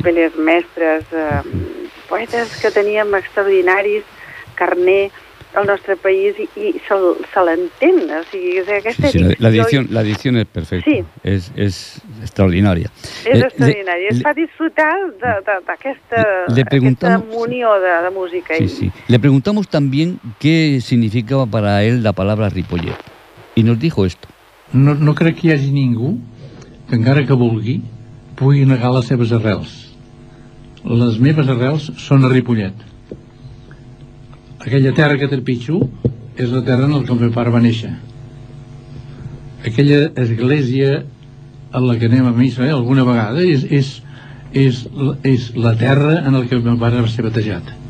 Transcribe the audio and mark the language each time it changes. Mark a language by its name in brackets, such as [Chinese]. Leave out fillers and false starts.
[Catalan] Apel·les mestres, poetes que teníem extraordinaris, Carner, el nostre país, i se l'entén, o sigui, és aquesta edició. Sí, l'edició és perfecta, sí. És extraordinària. És extraordinària, es fa disfrutar d'aquesta munió de música. Sí, sí. [Spanish] Le preguntamos también qué significaba para él la palabra Ripollet, y nos dijo esto. [Catalan] No crec que hi hagi ningú que, encara que vulgui, pugui negar les seves arrels. Les meves arrels són a Ripollet. Aquella terra que trepitjo és la terra en què el meu pare va néixer. Aquella església a la que anem a missa alguna vegada és la terra en què el meu pare va ser batejat.